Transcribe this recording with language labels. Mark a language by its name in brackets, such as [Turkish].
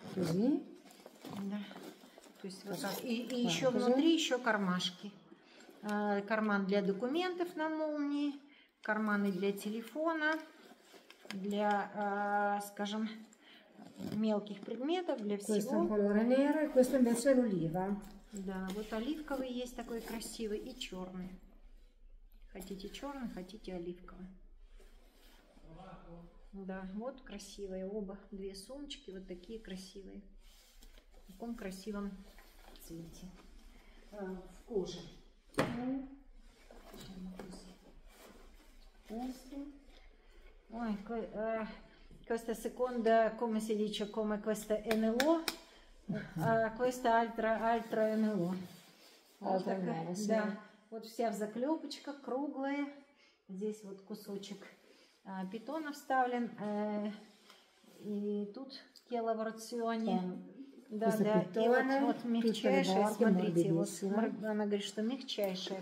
[Italian] Così. [Russian] Да. То есть вот так. И да, еще così. Внутри еще кармашки. Карман для документов на молнии, карманы для телефона, для, скажем, мелких предметов, для всего. [Italian] Questa nera, questa invece l'oliva. [Russian] Да, вот оливковый есть такой красивый и черный. Хотите черный, хотите оливковый. Да, вот красивые оба, две сумочки, вот такие красивые. В таком красивом цвете. В коже. Ой, какой... [Italian] Questa seconda, come si dice, come questa NLO, questa altra NLO. Altra NLO, sì. [Russian] Да, вот вся в заклепочках, круглая. Здесь вот кусочек питона вставлен. И тут келаворационе. Да, да. И вот мягчайшая, смотрите, вот, она говорит, что мягчайшая.